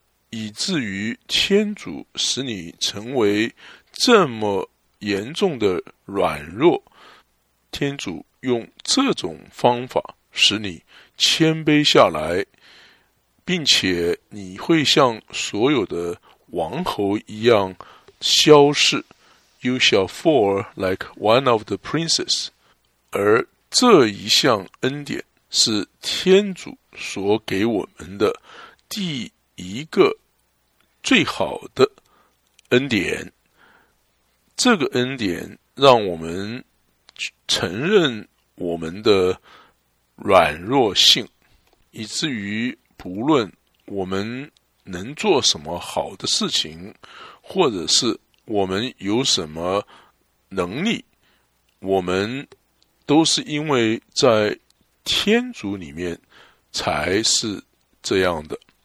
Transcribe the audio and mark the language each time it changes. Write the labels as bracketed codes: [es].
[zh] 以至于天主使你成为这么严重的软弱，天主用这种方法使你谦卑下来，并且你会像所有的王侯一样消逝。 [en] You shall fall like one of the princes. [zh] 而这一项恩典是天主所给我们的第一个最好的恩典。这个恩典让我们承认我们的软弱性，以至于不论我们能做什么好的事情，或者是我们有什么能力，我们都是因为在天主里面才是这样的。